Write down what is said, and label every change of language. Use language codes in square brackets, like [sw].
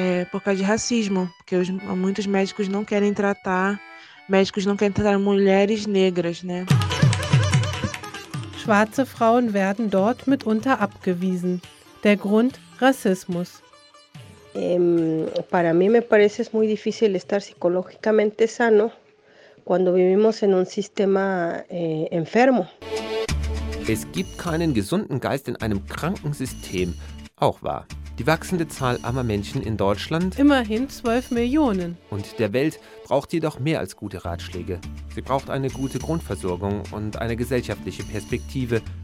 [pt] Por causa de racismo, porque muitos médicos não querem tratar. Médicos não querem tratar mulheres negras, né? [de] Schwarze Frauen werden dort mitunter abgewiesen. Der Grund: Rassismus. [es] Para mí me parece es muy difícil estar psicológicamente sano cuando vivimos en un sistema enfermo. [de] Es gibt keinen gesunden Geist in einem kranken System. Auch wahr. Die wachsende Zahl armer Menschen in Deutschland, immerhin 12 Millionen, und der Welt braucht jedoch mehr als gute Ratschläge. Sie braucht eine gute Grundversorgung und eine gesellschaftliche Perspektive.